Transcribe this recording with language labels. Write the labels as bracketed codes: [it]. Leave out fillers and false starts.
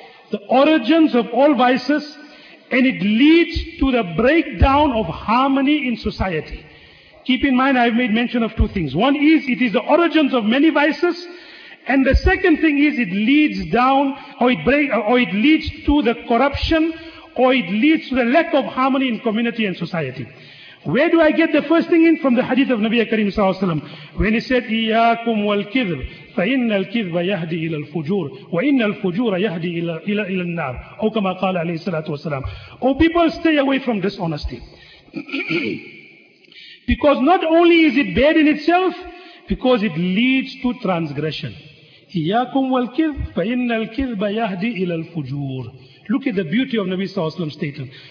[en] The origins of all vices, and it leads to the breakdown of harmony in society. Keep in mind, I've made mention of two things. One is, it is the origins of many vices. And the second thing is, it leads down, or it leads to the corruption, or it leads to the lack of harmony in community and society. Where do I get the first thing in? From the hadith of Nabi Karim Sallallahu Alaihi Wasallam, when he said, [ar] إِيَّاكُمْ وَالْكِذْبِ فَإِنَّ الْكِذْبَ يَهْدِي إِلَى الْفُجُورِ وَإِنَّ الْفُجُورَ يَهْدِي إِلَى النَّارِ أو كما قال عليه الصلاة والسلام. [en] Oh, people, stay away from dishonesty. Because not only is it bad in itself, because it leads to transgression. [ar] إِيَّاكُمْ وَالْكِذْبِ فَإِنَّ الْكِذْبَ يَهْدِي إِلَى الْفُجُورِ. [en] Look at the beauty of Nabi Sallallahu Alaihi Wasallam's statement.